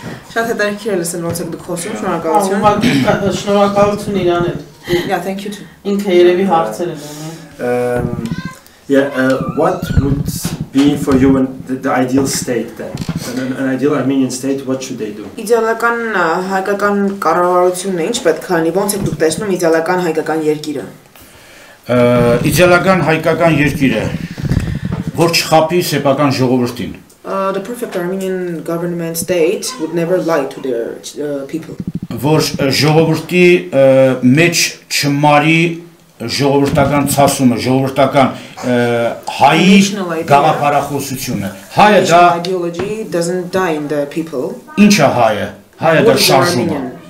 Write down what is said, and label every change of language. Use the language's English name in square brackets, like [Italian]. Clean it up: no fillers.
[Armenian] շատ հետաքրքիր է լսել, ոնց եք դուք խոսում, շնորհակալություն, շնորհակալություն իրան էլ, [English] yeah, thank you too. [Armenian] Ինքը երևի հարցեր ունի, [English] yeah, what would be for you in the ideal state then, an ideal Armenian state, what should they do? [Armenian] Իդեալական հայկական կառավարությունը ինչ պետք է լինի, ոնց եք դուք տեսնում իդեալական հայկական երկիրը? Իդեալական հայկական երկիրը, որ չխափի սեպական ժողովրդին. [English] The perfect Armenian government state would never lie to their people. [Armenian] Որ ժողովրդի մեջ չմարի ժողովրդական ցասումը, ժողովրդական հայի գաղափարախոսությունը. Հայը դա [English] ideology doesn't die in the people. [Armenian] Ինչ է հայը? Հայը դա շարժումը.